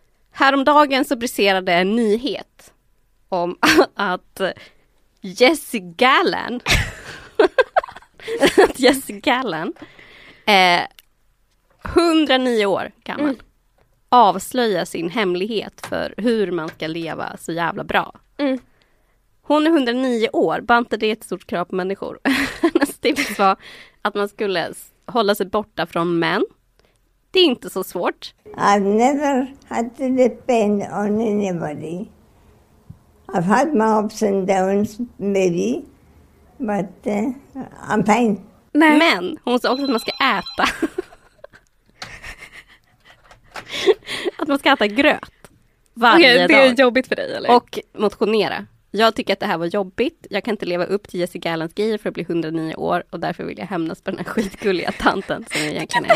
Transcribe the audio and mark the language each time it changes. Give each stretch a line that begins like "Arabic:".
Swedish: Häromdagen så briserade en nyhet om att Jessica Gallen 109 år gammal avslöjar sin hemlighet för hur man ska leva så jävla bra. Hon är 109 år, bara inte det ett stort krav på människor. Hennes tips var att man skulle hålla sig borta från män. Det är inte så svårt.
English: I've never had to depend on anybody. I've had my ups and downs, maybe, but I'm fine.
Swedish: Nej. Men hon sa också att man ska äta. Att man ska äta gröt varje dag. Det är jobbigt för dig, eller? Och motionera. Jag tycker att det här var jobbigt. Jag kan inte leva upp till Jessica Allens grejer för att bli 109 år. Och därför vill jag hämnas på den här skitgulliga tanten som jag egentligen älskar.